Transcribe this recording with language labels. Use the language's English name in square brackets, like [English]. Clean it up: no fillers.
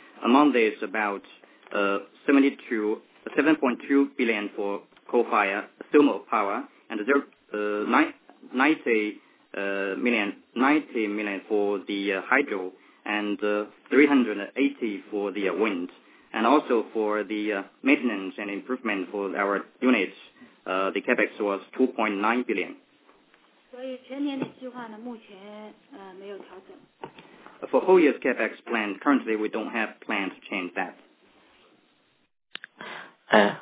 [English] Among these, about 7.2 billion for coal fire thermal power, and 90 million for the hydro, and 380 for the wind, and also for the maintenance and improvement for our units, the capex was 2.9 billion. [Chinese] 所以全年的计划呢，目前没有调整。 [English] For whole year's capex plan, currently we don't have plan to change that.